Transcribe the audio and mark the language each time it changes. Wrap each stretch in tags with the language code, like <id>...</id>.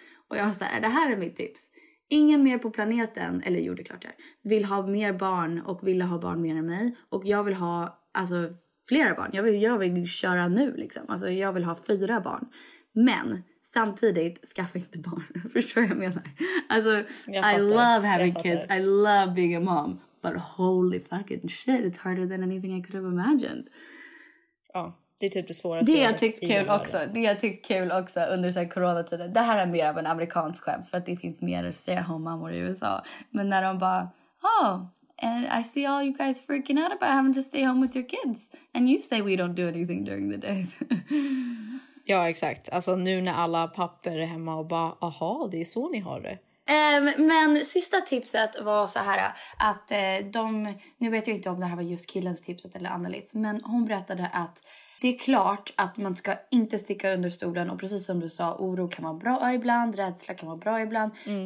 <sv>Och jag sa, det här är mitt tips. Ingen mer på planeten, eller jo, det är klart det, vill ha mer barn och vill ha barn mer än mig, och jag vill ha alltså flera barn. Jag vill köra nu liksom. Alltså jag vill ha 4 barn. Men samtidigt, skaffa inte barn. Förstår jag vad jag menar? Alltså, jag</sv> <en>love having kids. I love being a mom. But holy fucking shit, it's harder than anything I could have imagined.</en> <sv>Ja, det är typ det svåraste. Det jag tyckt kul också under så här coronatiden. Det här är mer av en amerikansk skämt, för att det finns mer stay-at-home-mammor i USA. Men när de bara,</sv> <en>and I see all you guys freaking out about having to stay home with your kids. And you say we don't do anything during the days.</en> <sv>Ja, exakt. Alltså nu när alla papper är hemma och bara, aha, det är så ni har det. Men sista tipset var så här, att de, nu vet jag inte om det här var just killens tipset eller Annelies, men hon berättade att det är klart att man ska inte sticka under stolen, och precis som du sa, oro kan vara bra ibland, rädsla kan vara bra ibland. Mm.</sv>